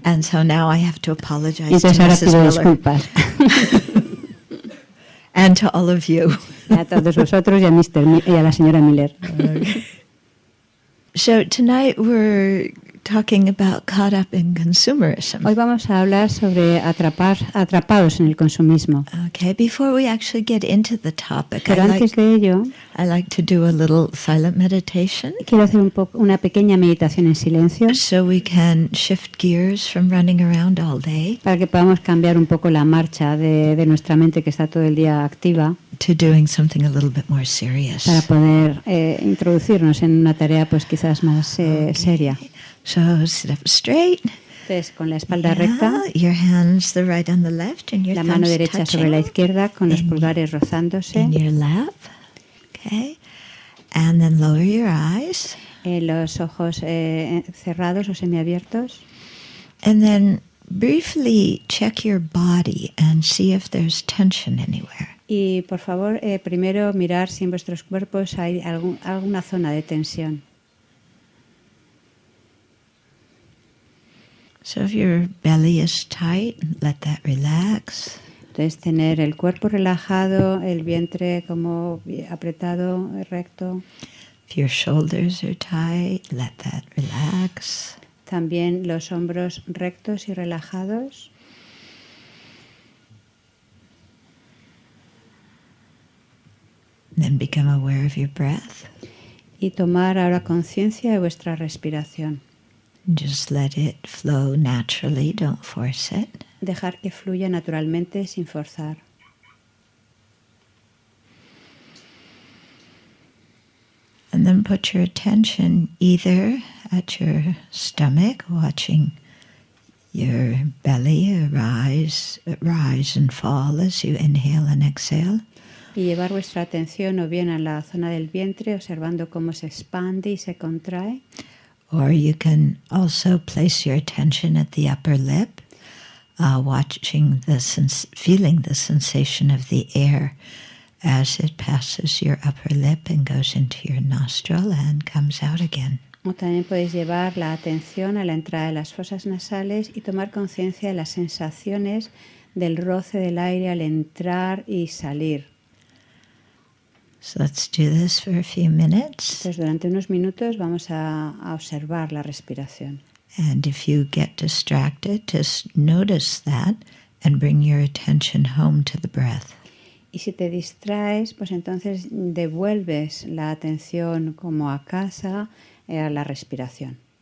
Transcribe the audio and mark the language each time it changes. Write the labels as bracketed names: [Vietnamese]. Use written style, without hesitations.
[English] And so now I have to apologize. [Spanish] Y entonces [English] to [Spanish] ahora [English] Mrs. [Spanish] pido [English] Miller. [Spanish] Disculpas. [English] And to all of you. [Spanish] A todos vosotros y a Mr. y a la señora Miller. [English] So tonight we're talking about caught up in consumerism. [Spanish] Hoy vamos a hablar sobre atrapados en el consumismo. [English] Okay, before we actually get into the topic, I like to do a little silent meditation. [Spanish] Quiero hacer una pequeña meditación en silencio. [English] So we can shift gears from running around all day. [Spanish] Para que podamos cambiar un poco la marcha de nuestra mente que está todo el día activa. [English] To doing something a little bit more serious. [Spanish] Para poder introducirnos en una tarea pues quizás más seria. [English] So sit up straight. [Spanish] Entonces, con la espalda recta. [English] Your hands the right and the left, and your [Spanish] la mano derecha [English] touching [Spanish] sobre la izquierda con los pulgares rozándose. [English] In your lap. Okay. And then lower your eyes. [Spanish] Los ojos cerrados o semiabiertos. [English] And then briefly check your body and see if there's tension anywhere. [Spanish] Y por favor, primero mirar si en vuestros cuerpos hay alguna zona de tensión. [English] So if your belly is tight, let that relax. [Spanish] Entonces tener el cuerpo relajado, el vientre como apretado, recto. [English] If your shoulders are tight, let that relax. [Spanish] También los hombros rectos y relajados. [English] Then become aware of your breath. [Spanish] Y tomar ahora conciencia de vuestra respiración. [English] Just let it flow naturally, don't force it. [Spanish] Dejar que fluya naturalmente sin forzar. [English] And then put your attention either at your stomach, watching your belly rise and fall as you inhale and exhale. [Spanish] Y llevar vuestra atención o bien a la zona del vientre, observando cómo se expande y se contrae. [English] Or you can also place your attention at the upper lip, watching feeling the sensation of the air as it passes your upper lip and goes into your nostril and comes out again. [Spanish] O también podéis llevar la atención a la entrada de las fosas nasales y tomar conciencia de las sensaciones del roce del aire al entrar y salir. [English] So let's do this for a few minutes. [Spanish] Entonces, durante unos minutos vamos a observar la respiración. [English] And if you get distracted, just notice that and bring your attention home to the breath. [Spanish] Y si te distraes, pues entonces devuelves la atención como a casa, a la respiración.